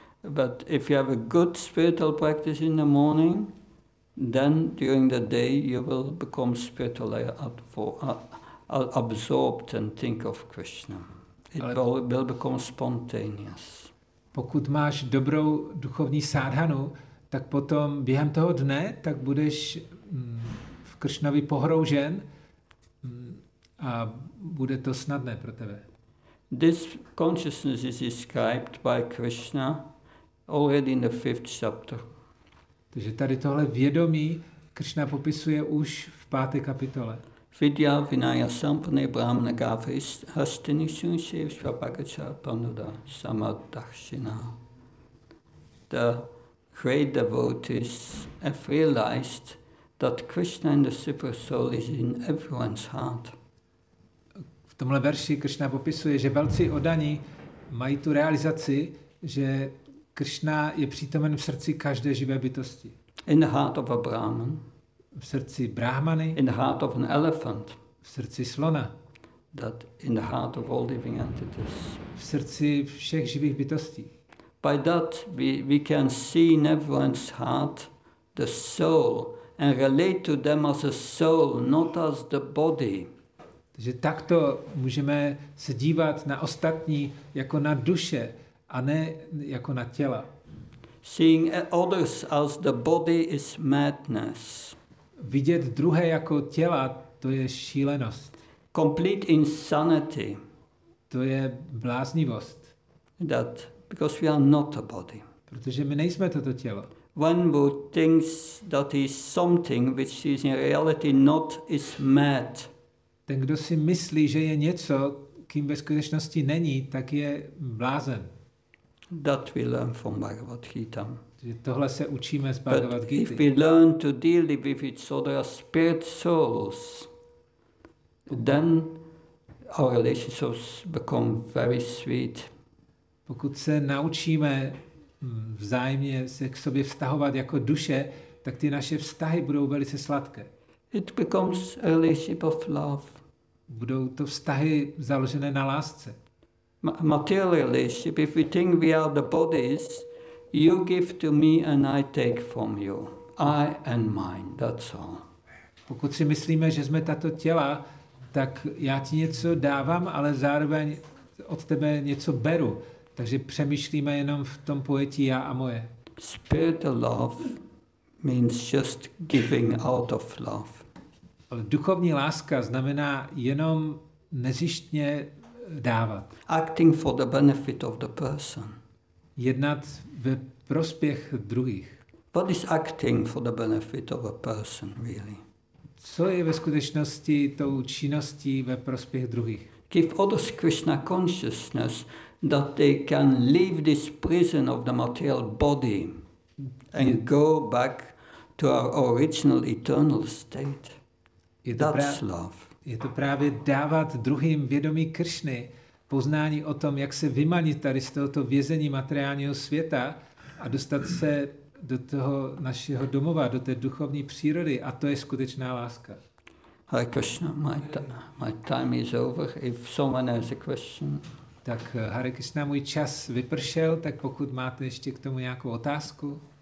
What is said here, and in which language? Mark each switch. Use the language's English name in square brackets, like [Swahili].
[English] But if you have a good spiritual practice in the morning, then during the day you will become spiritually absorbed and think of Krishna. It will become spontaneous. [Czech] Pokud máš dobrou duchovní sádhanu, tak potom během toho dne tak budeš v Krishnovi pohroužen a bude to snadné pro tebe. [English] This consciousness is described by Krishna already in the fifth chapter. [Czech] Takže tady tohle vědomí Krishna popisuje už v páté kapitole. [Sanskrit] Vidya vinaya sampane brahmana gafis hastini shunshi svapakacha panuda samadakshina. [English] The great devotees have realized that Krishna and the Super Soul is in everyone's heart. [Czech] V tomhle verši Krishna popisuje, že velcí odaní mají tu realizaci, že Krishna je přítomen v srdci každé živé bytosti. [English] In the heart of a Brahman. [Czech] V srdci Brahmany. [English] In the heart of an elephant. [Czech] V srdci slona. [English] That in the heart of all living entities. [Czech] V srdci všech živých bytostí. [English] By that we can see in everyone's heart the soul and relate to them as a soul, not as the body. [Czech] Takže takto můžeme se dívat na ostatní jako na duše a ne jako na těla. [English] Seeing others as the body is madness. [Czech] Vidět druhé jako těla, to je šílenost. [English] Complete insanity. [Czech] To je bláznivost. [English] That because we are not a body. [Czech] Protože my nejsme toto tělo. [English] One who thinks that is something which is in reality not is mad. [Czech] Ten, kdo si myslí, že je něco, kým ve skutečnosti není, tak je blázen. [English] That we learn from Bhagavad Gita. [Czech] Tohle se učíme z Bhagavad Gita. [English] If we learn to deal with each other as spirit souls, then our relationships become very sweet. [Czech] Pokud se naučíme vzájemně se k sobě vztahovat jako duše, tak ty naše vztahy budou velice sladké. [English] It becomes a relationship of love. Budou to vztahy založené na lásce. Materialism, if we think we are the bodies, you give to me and I take from you. I and mine, that's all. [Czech] Pokud si myslíme, že jsme tato těla, tak já ti něco dávám, ale zároveň od tebe něco beru. Takže přemýšlíme jenom v tom pojetí já a moje. [English] Spiritual love means just giving out of love. [Czech] Ale duchovní láska znamená jenom nezištně dávat. [English] Acting for the benefit of the person. [Czech] Jednat ve prospěch druhých. [English] What is acting for the benefit of a person, really? [Czech] Co je ve skutečnosti tou činností ve prospěch druhých? [English] Give others Krishna consciousness that they can leave this prison of the material body and go back to our original eternal state. That's love. [Czech] Je to právě dávat druhým vědomí Kršny, poznání o tom, jak se vymanit tady z tohoto vězení materiálního světa a dostat se do toho našeho domova, do té duchovní přírody, a to je skutečná láska. [English] Hare Krishna, my time is over. If someone has a question. [Czech] Tak Hare Krishna, můj čas vypršel, tak pokud máte ještě k tomu nějakou otázku.